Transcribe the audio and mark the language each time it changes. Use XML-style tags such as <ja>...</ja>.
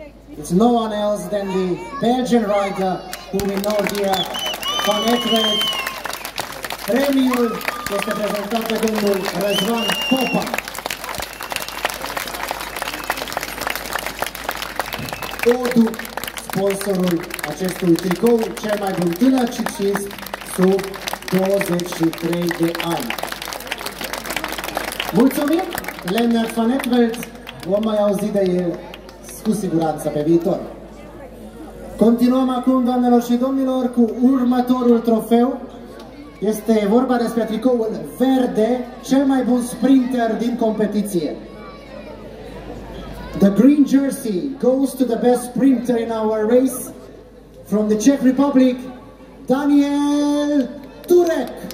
<en>It's no one else than the Belgian rider who we know here, Van Etveld.</en> <ro>Premiul este prezentat de domnul Răzvan Popa. Odu, sponsorul acestui tricou, cel mai bun tânăr ciclist sub 23 de ani. Mulțumim, Lennart van Etveld, vom mai auzi de el cu siguranță pe viitor. Continuăm acum, doamnelor și domnilor, cu următorul trofeu. Este vorba despre tricoul verde, cel mai bun sprinter din competiție.</ro> <en>The green jersey goes to the best sprinter in our race from the Czech Republic, Daniel Turek.</en>